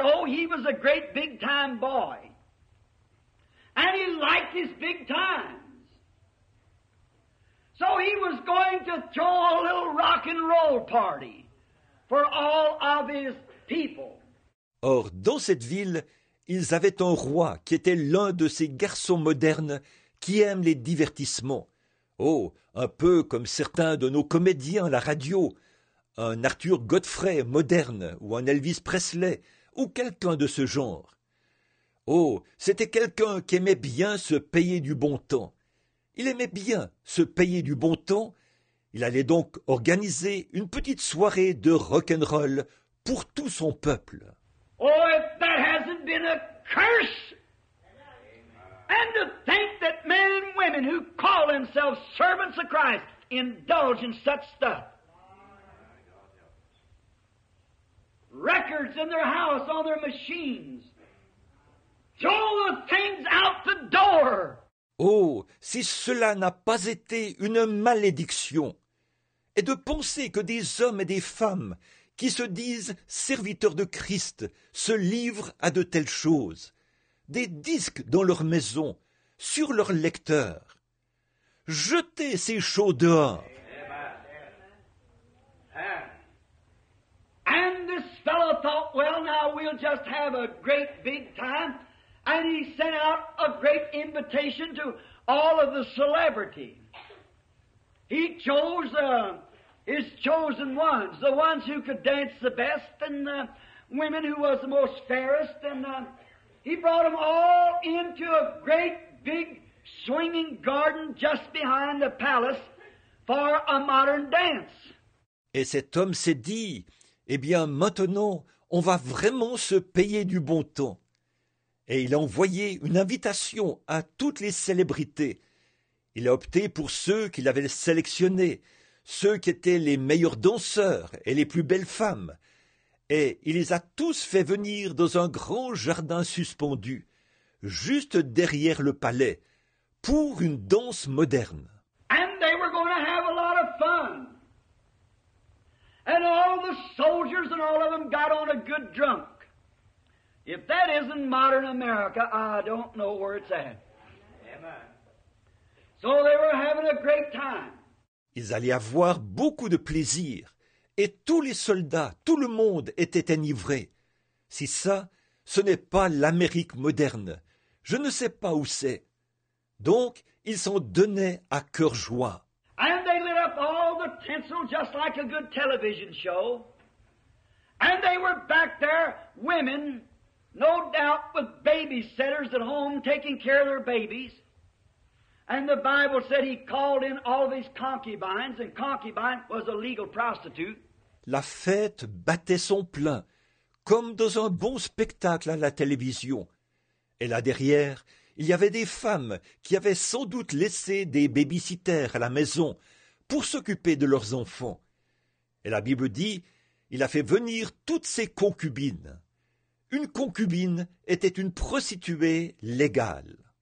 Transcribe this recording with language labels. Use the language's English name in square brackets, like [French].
[English] Oh, he was a great big-time boy. And he liked his big times. So he was going to throw a little rock and roll party for all of his people. [French] Or, dans cette ville, ils avaient un roi qui était l'un de ces garçons modernes qui aiment les divertissements. Oh, un peu comme certains de nos comédiens à la radio, un Arthur Godfrey moderne ou un Elvis Presley ou quelqu'un de ce genre. Oh, c'était quelqu'un qui aimait bien se payer du bon temps. Il aimait bien se payer du bon temps. Il allait donc organiser une petite soirée de rock'n'roll pour tout son peuple. [English] Oh, if that hasn't been a curse! And to think that men and women who call themselves servants of Christ indulge in such stuff. Records in their house, on their machines. Throw the things out the door. [French] Oh, si cela n'a pas été une malédiction. Et de penser que des hommes et des femmes qui se disent serviteurs de Christ se livrent à de telles choses. Des disques dans leur maison, sur leur lecteur. Jetez ces choses dehors. [English] And this fellow thought, well, now we'll just have a great big time. And he sent out a great invitation to all of the celebrities. He chose his chosen ones, the ones who could dance the best, and the women who was the most fairest, and he brought them all into a great big swinging garden just behind the palace for a modern dance. [French] Et cet homme s'est dit, eh bien maintenant, on va vraiment se payer du bon temps. Et il a envoyé une invitation à toutes les célébrités. Il a opté pour ceux qu'il avait sélectionnés, ceux qui étaient les meilleurs danseurs et les plus belles femmes. Et il les a tous fait venir dans un grand jardin suspendu, juste derrière le palais, pour une danse moderne. [English] And they were going to have a lot of fun. And all the soldiers and all of them got on a good drunk. If that isn't modern America, I don't know where it's at. Amen. So they were having a great time. [French] Ils allaient avoir beaucoup de plaisir. Et tous les soldats, tout le monde était enivré. Si ça, ce n'est pas l'Amérique moderne. Je ne sais pas où c'est. Donc, ils s'en donnaient à cœur joie. [English] And they lit up all the tinsel just like a good television show. And they were back there, women, no doubt with babysitters at home taking care of their babies. And the Bible said he called in all of his concubines, and concubine was a legal prostitute. [French] La fête battait son plein, comme dans un bon spectacle à la télévision. Et là derrière, il y avait des femmes qui avaient sans doute laissé des babysitters à la maison pour s'occuper de leurs enfants. Et la Bible dit, il a fait venir toutes ses concubines. Une concubine était une prostituée légale.